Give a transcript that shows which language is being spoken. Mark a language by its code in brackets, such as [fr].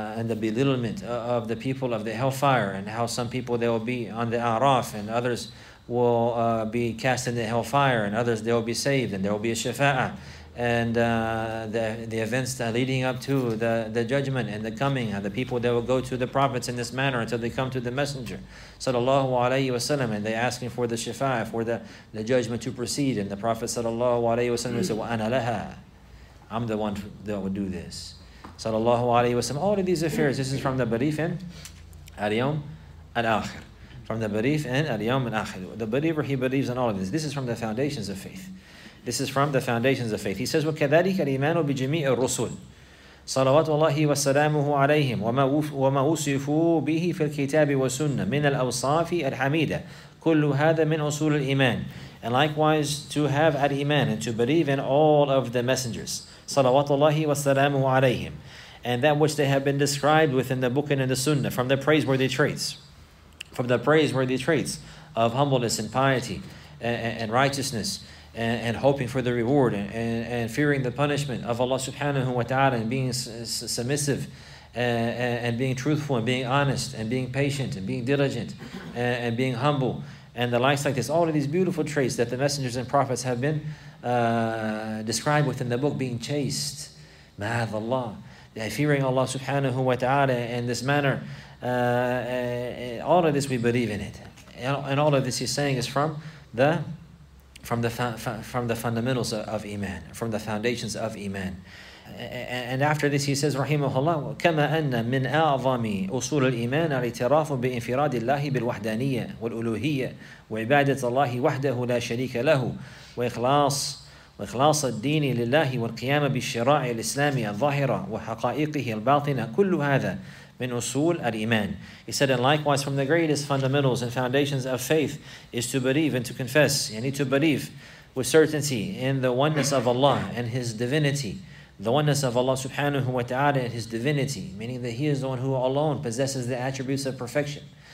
[en] the belittlement of the people of the hellfire and how some people they will be on the A'raf and others will be cast in the hellfire and others they will be saved and there will be a shafa'ah and the events that leading up to the judgment and the coming and the people they will go to the prophets in this manner until they come to the messenger sallallahu alayhi wa sallam and they asking for the shafa'ah for the judgment to proceed and the prophet sallallahu alayhi wa sallam said, [ar] "Wa ana laha," [en] I'm the one that will do this. Sallallahu alayhi wa sallam. All of these affairs, this is from the belief in al-yawm al-akhir. From the belief in al-yawm al-akhir. The believer, he believes in all of this. This is from the foundations of faith. This is from the foundations of faith. He says, [ar] وَكَذَلِكَ الْإِيمَانُ بِجِمِيعِ الرُّسُلِ صَلَوَاتُ اللَّهِ وَسَلَامُهُ عَلَيْهِمْ وَمَا وُصِفُوا بِهِ فِي الْكِتَابِ وَسُنَّةِ مِنَ الْأَوْصَافِ الْحَمِيدَةِ كُلُّ هَذَا مِنْ أُصُولِ الْإِيمَانِ. [en] And likewise, to have al-Iman and to believe in all of the messengers, salawatullahi wa salamu alayhim, and that which they have been described within the book and in the sunnah from the praiseworthy traits, from the praiseworthy traits of humbleness and piety and righteousness and hoping for the reward and fearing the punishment of Allah subhanahu wa ta'ala and being submissive and being truthful and being honest and being patient and being diligent and being humble and the likes like this. All of these beautiful traits that the messengers and prophets have been described within the book, being chaste, ma'adhallah, fearing Allah subhanahu wa ta'ala in this manner, all of this we believe in it. And all of this he's saying is from the fundamentals of Iman, from the foundations of Iman. And after this he says, rahimahullah, [ar] كَمَا أَنَّ مِنْ أَعْظَمِ أُصُولِ الْإِيمَانِ الْإِتِرَافُ بِإِنْفِرَادِ اللَّهِ بِالْوَحْدَانِيَّةِ وَالْأُلُوهِيَّةِ وَعِبَادَةِ اللَّهِ وَحْدَهُ لَا شَرِيكَ لَهُ وَإِخْلَاصَ الدِّينِ لِلَّهِ وَالْقِيَامَ بِالشِّرَاعِ الْإِسْلَامِيَ الظَّاهِرَةِ وَحَقَائِقِهِ الْبَاطِنَةِ كُلُّ هَذَا مِنْ أُصُولِ الْإِيمَانِ. [en] He said, and likewise, from the greatest fundamentals and foundations of faith is to believe and to confess, you need to believe with certainty in the oneness of Allah and His divinity. The oneness of Allah subhanahu wa ta'ala and His divinity, meaning that He is the one who alone possesses the attributes of perfection.